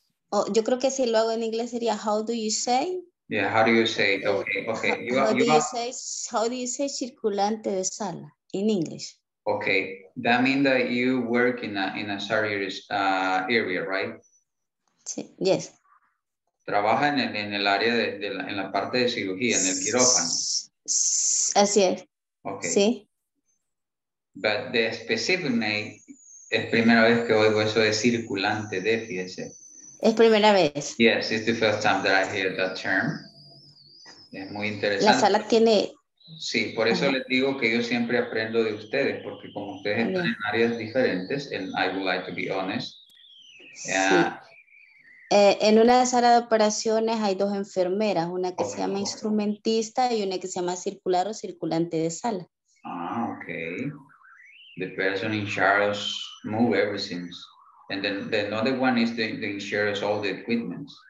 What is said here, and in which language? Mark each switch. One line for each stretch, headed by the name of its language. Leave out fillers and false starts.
Spanish: Oh, yo creo que si lo hago en inglés sería
English: how do you say? Yeah, how do you say? Okay. How do you say circulante de sala in English? Okay, that means that you work in a surgery area, right?
Spanish: Sí, yes. Trabaja en el área en la parte de cirugía, en el quirófano. Así es.
English: Okay.
Spanish: Sí.
English: But the specific name
Spanish: es primera vez que oigo eso de circulante de, fíjese. Es primera vez.
English: Yes, it's the first time that I hear that term.
Spanish: Es muy interesante. La sala tiene... Sí, por eso les digo que yo siempre aprendo de ustedes, porque como ustedes están en áreas diferentes,
English: and I would like to be honest.
Spanish: En una sala de operaciones hay dos enfermeras, una que se llama instrumentista y una que se llama circular o circulante de sala.
English: Ah, okay. The person in charge move everything. And then the other one is the insurance all the equipment.